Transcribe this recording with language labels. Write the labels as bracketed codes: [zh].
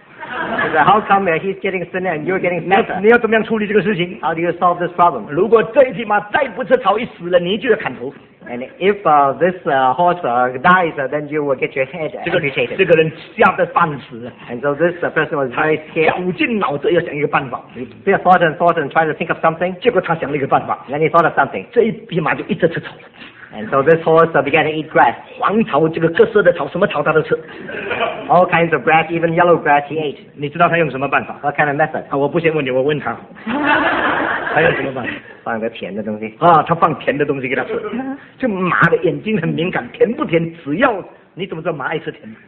[en] He said, how come he's getting thinner and you're getting fatter? [zh] 你要怎么样处理这个事情？ [en] How do you solve this problem? [zh] 如果这匹马再不吃草，一死了，你就要砍头。 [en] And if this horse dies, then you will get your head amputated. [zh] 这个人吓得半死。 [en] And so this person was very scared. [zh] 绞尽脑汁要想一个办法。 [en] He thought and thought and tried to think of something. [zh] 结果他想了一个办法。 [en] Then he thought of something. [zh] 这一匹马就一直吃草。 [en] And so this horse began to eat grass. [zh] 黄草，这个各色的草，什么草他都吃。 [en] All kinds of grass, even yellow grass, he ate. [zh] 你知道他用什么办法？ [en] What kind of method? [zh] 我不先问你，我问他。他用什么办法？放个甜的东西。他放甜的东西给他吃。这马的眼睛很敏感，甜不甜，只要你怎么知道马爱吃甜？